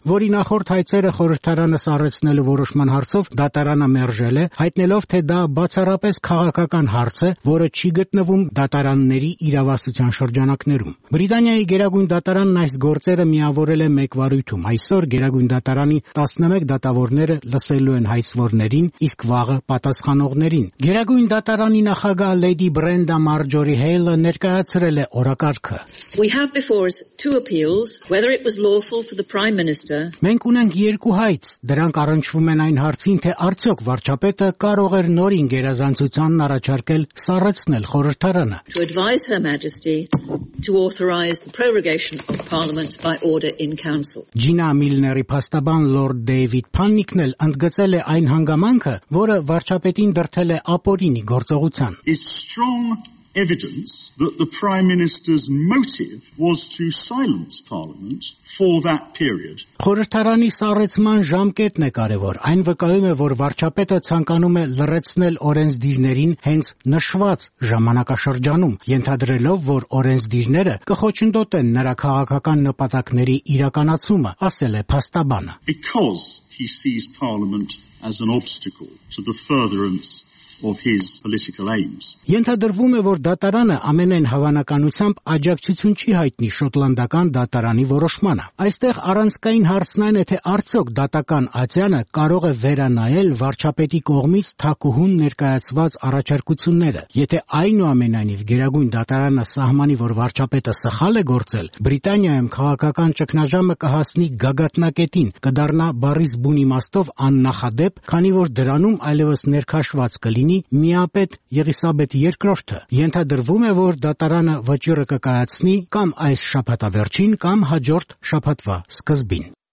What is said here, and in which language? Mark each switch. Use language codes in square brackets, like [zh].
[hy] որի նախորդ հայցերը խորհրդարանը սառեցնելու որոշման հարցով դատարանը մերժել է, հայտնելով, թե դա բացառապես քաղաքական հարց է, որը չի գտնվում դատարանների իրավասության շրջանակներում։ Բրիտանիայի Գերագույն դատարանն այս գործերը միավորել է մեկ վարույթում։ Այսօր Գերագույն դատարանի 11 դատավորները լսելու են հայցվորներին, իսկ վաղը պատասխանողներին։ Գերագույն դատարանի նախագահ Lady Brenda Marjorie Hale ներկայացրել է օրակարգը։ [en] We have before us two appeals, whether it was lawful for the Prime Minister. [hy] Մենք ունենք երկու հայց, դրանք առնչվում են այն հարցին, թե արդյոք վարչապետը կարող էր նորին գերազանցությանն առաջարկել սառեցնել խորհրդարանը։ [en] To advise Her Majesty to authorize the prorogation of Parliament by order in council. [hy] Ջինա Միլների փաստաբան Lord David Panick-ն էլ ընդգծել է այն հանգամանքը, որը վարչապետին դրդել է ապօրինի գործողության։ [en] It's strong evidence that the Prime Minister's motive was to silence Parliament for that period. [hy] Խորհրդարանի սառեցման ժամկետն է կարևոր, այն վկայում է, որ վարչապետը ցանկանում է լրացնել օրենսդիրներին հենց նշված ժամանակաշրջանում, ենթադրելով, որ օրենսդիրները կխոչընդոտեն նրա քաղաքական նպատակների իրականացումը, ասել է փաստաբանը. [en] Because he sees Parliament as an obstacle to the furtherance of his political aims. [hy] Ենթադրվում է, որ դատարանը ամենայն հավանականությամբ աջակցություն չի հայտնի շոտլանդական դատարանի որոշմանը։ Այստեղ առանցքային հարցն այն է, թե արդյոք դատական Ատյանը կարող է վերանայել վարչապետի կողմից թակուհուն ներկայացված առաջարկությունները, եթե այնուամենայնիվ գերագույն դատարանը սահմանի, որ վարչապետը սխալ է գործել, Բրիտանիայում քաղաքական ճգնաժամը կհասնի գագաթնակետին, կդառնա բարիս բուն իմաստով աննախադեպ, քանի որ դրանում այլևս ներքաշված լինի միապետ Եղիսաբեթ II-ը։ Ենթադրվում է, որ դատարանը վճիռը կկայացնի կամ այս շաբաթվա վերջին, կամ հաջորդ շաբաթվա սկզբին։